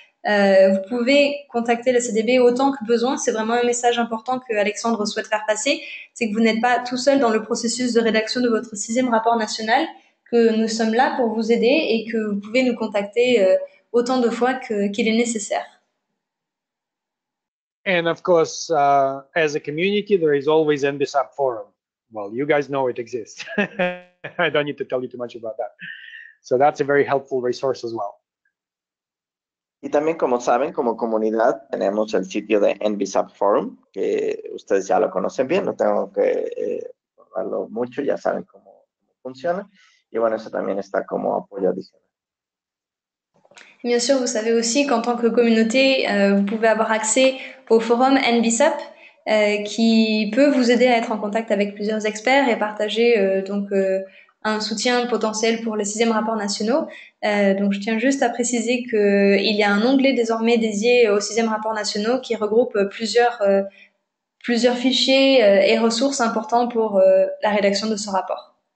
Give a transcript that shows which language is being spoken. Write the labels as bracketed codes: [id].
[fr] Vous pouvez contacter la CDB autant que besoin. C'est vraiment un message important que Alexandre souhaite faire passer. C'est que vous n'êtes pas tout seul dans le processus de rédaction de votre sixième rapport national, que nous sommes là pour vous aider et que vous pouvez nous contacter autant de fois qu'il est nécessaire. [en] And of course, as a community, there is always NBSAP forum. Well, you guys know it exists. I don't need to tell you too much about that. So that's a very helpful resource as well. [es] Y también, como saben, como comunidad, tenemos el sitio de NBSAP forum, que ustedes ya lo conocen bien. No tengo que hablarlo mucho, ya saben cómo funciona. Y bueno, eso también está como apoyo adicional. [fr] Bien sûr, vous savez aussi qu'en tant que communauté, vous pouvez avoir accès au forum NBSAP qui peut vous aider à être en contact avec plusieurs experts et partager un soutien potentiel pour les sixièmes rapports nationaux. Donc je tiens juste à préciser qu'il y a un onglet désormais dédié aux sixièmes rapports nationaux qui regroupe plusieurs fichiers et ressources importants pour la rédaction de ce rapport.